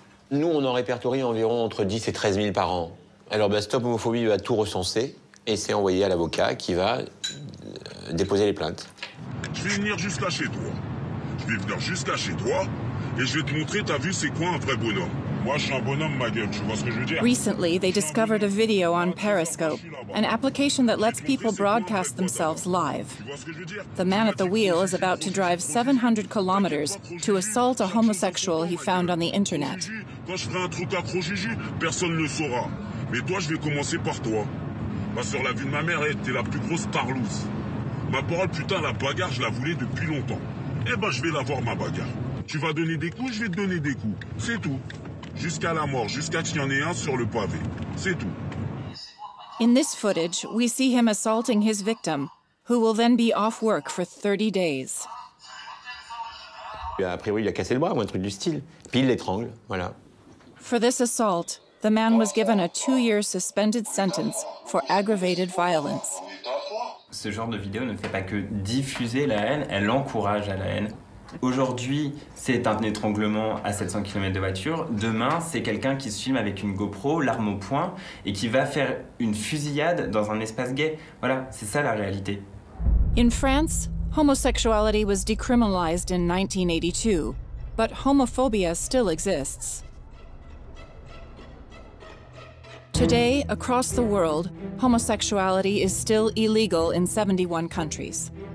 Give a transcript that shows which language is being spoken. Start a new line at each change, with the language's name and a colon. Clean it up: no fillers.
French: Nous, on en répertorie environ entre 10 et 13 000 par an. Alors, ben, Stop Homophobie va tout recenser. Et c'est envoyé à l'avocat qui va déposer les plaintes. Je vais venir jusqu'à chez toi. Je vais venir jusqu'à chez toi et je vais te montrer, t'as vu, c'est quoi un vrai bonhomme. Moi, je suis un bonhomme, ma gueule, tu vois ce que je veux dire?
English: Recently, they discovered a video on Periscope, an application that lets people broadcast themselves live. The man at the wheel is about to drive 700 kilometers to assault a homosexual he found on the internet.
French: Quand je ferai un truc à Crojigi, personne ne saura. Mais toi, je vais commencer par toi. Bah sur la vue de ma mère, elle était la plus grosse tarlouse. Ma parole, putain, la bagarre, je la voulais depuis longtemps. Eh ben, je vais l'avoir, ma bagarre. Tu vas donner des coups, je vais te donner des coups. C'est tout. Jusqu'à la mort, jusqu'à ce qu'il y en ait un sur le pavé. C'est tout.
English: In this footage, we see him assaulting his victim, who will then be off work for 30 days.
French: A priori, il a cassé le bras ou un truc du style. Puis il l'étrangle, voilà.
English: For this assault, the man was given a 2-year suspended sentence for aggravated violence.
French: Ce genre de vidéo ne fait pas que diffuser la haine, elle encourage à la haine. Aujourd'hui, c'est un étranglement à 700 km de voiture. Demain, c'est quelqu'un qui se filme avec une GoPro, l'arme au poing, et qui va faire une fusillade dans un espace gay. Voilà, c'est ça la réalité.
English: In France, homosexuality was decriminalized in 1982, but homophobia still exists. Today, across the world, homosexuality is still illegal in 71 countries.